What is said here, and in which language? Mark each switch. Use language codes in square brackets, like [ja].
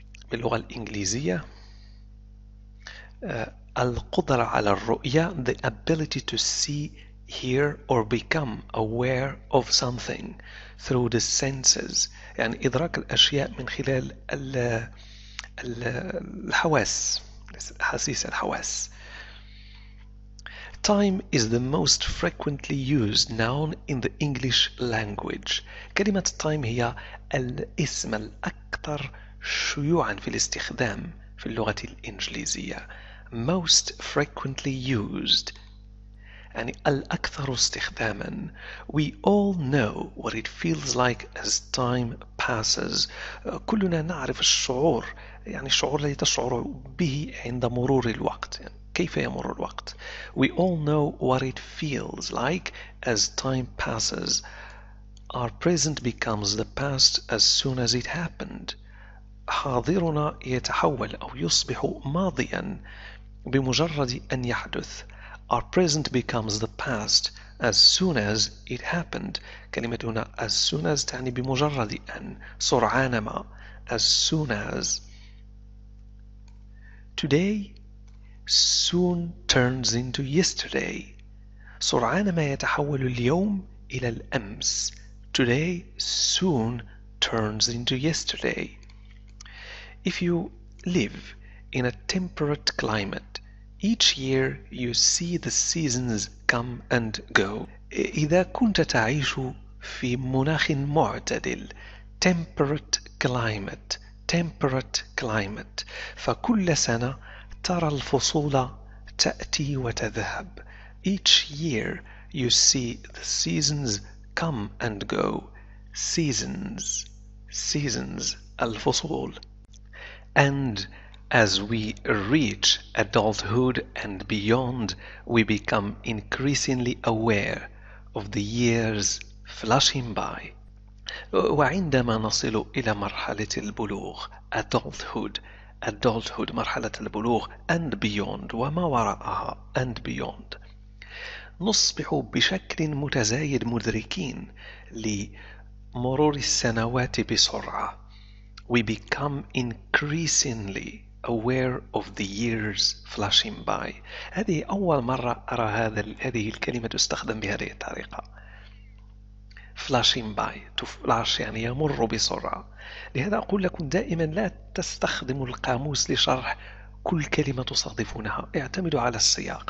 [ar] باللغة الإنجليزية القدرة على الرؤية، [en] the ability to see, hear or become aware of something through the senses، [ar] يعني إدراك الأشياء من خلال الحواس، حسيس الحواس. [en] Time is the most frequently used noun in the English language. [ar] كلمة time هي الاسم الأكثر شيوعا في الاستخدام في اللغة الإنجليزية. [en] Most frequently used [ar] يعني الأكثر استخداما. [en] We all know what it feels like as time passes. [ar] كلنا نعرف الشعور، يعني الشعور الذي تشعر به عند مرور الوقت، يعني كيف يمر الوقت. [en] We all know what it feels like as time passes. Our present becomes the past as soon as it happened. [ar] حاضرنا يتحول أو يصبح ماضيا بمجرد أن يحدث. [en] Our present becomes the past as soon as it happened. [ar] كلمة هنا [en] as soon as [ar] تعني بمجرد أن، سرعان ما. [en] As soon as. Today soon turns into yesterday. [ar] سرعان ما يتحول اليوم إلى الأمس. [en] Today soon turns into yesterday. If you live in a temperate climate, each year you see the seasons come and go. [ar] إذا كنت تعيش في مناخ معتدل، [en] temperate climate, temperate climate، [ar] فكل سنة ترى الفصول تأتي وتذهب. [en] Each year you see the seasons come and go. Seasons, seasons, الفصول. And as we reach adulthood and beyond, we become increasingly aware of the years flashing by. [ar] وعندما نصل إلى مرحلة البلوغ، adulthood، adulthood مرحلة البلوغ، [en] and beyond [ar] وما وراءها، and beyond، نصبح بشكل متزايد مدركين لمرور السنوات بسرعة. [en] We become increasingly aware of the years flashing by. [ar] هذه أول مرة أرى هذه الكلمة تستخدم بهذه الطريقة. [en] Flashing by، to flash [ar] يعني يمر بسرعة. لهذا أقول لكم دائما لا تستخدموا القاموس لشرح كل كلمة تصادفونها، اعتمدوا على السياق.